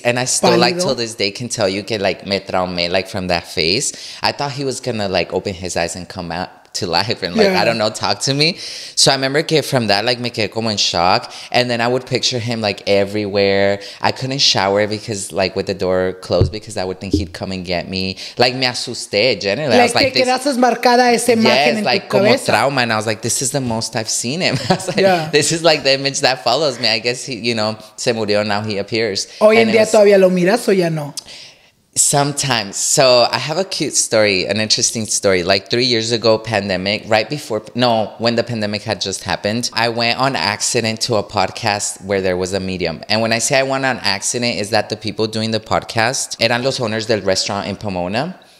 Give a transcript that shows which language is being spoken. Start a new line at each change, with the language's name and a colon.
English: And I still, like, till this day can tell you
Spanish: que,
English: like,
Spanish: me traumé,
English: like, from that face. I thought he was going to, like, open his eyes and come out. to life and like, yeah. I don't know, talk to me. So I remember
Spanish: que
English: from that, like,
Spanish: me quedé como
English: in shock. And then I would picture him like everywhere. I couldn't shower because like with the door closed because I would think he'd come and get me.
Spanish: Like me asusté, generally.
English: Like, I was like,
Spanish: que quedas marcada esa imagen en tu like cabeza. Como trauma.
English: And I was like, this is the most I've seen him. I was like, yeah. This is like the image that follows me. I guess he, you know,
Spanish: se murió,
English: now he appears.
Spanish: Hoy en día todavía lo miras o ya no?
English: Sometimes. So I have a cute story, an interesting story. Like 3 years ago, pandemic, right before, no, when the pandemic had just happened, I went on accident to a podcast where there was a medium. And when I say I went on accident, is that the people doing the podcast,
Spanish: eran los
English: owners del restaurant in Pomona.